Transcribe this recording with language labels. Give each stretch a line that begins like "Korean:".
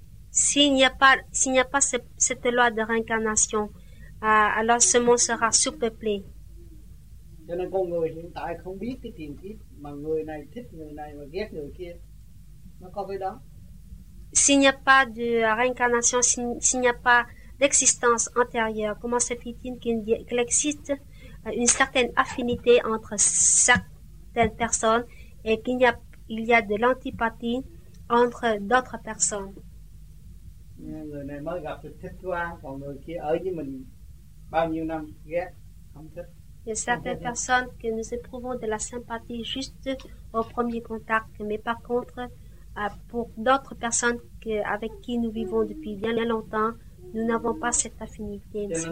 French: S'il n'y a pas cette loi de réincarnation, alors ce monde sera surpeuplé.
Vietnamese: Cho nên con người hiện tại không biết cái tiền kiếp mà người này thích người này và ghét người kia. Nó có cái đó.
French: S'il n'y a pas de réincarnation, s'il n'y a pas d'existence antérieure, comment se fait-il qu'il existe une certaine affinité entre certaines personnes et qu'il y a de l'antipathie entre d'autres personnes?
Vietnamese: Người này mới gặp thì thích quá, còn người kia ở với mình bao nhiêu năm ghét, không thích.
French: Il y a certaines personnes que nous éprouvons de la sympathie juste au premier contact, mais par contre, pour d'autres personnes avec qui nous vivons depuis bien longtemps, nous n'avons pas cette affinité.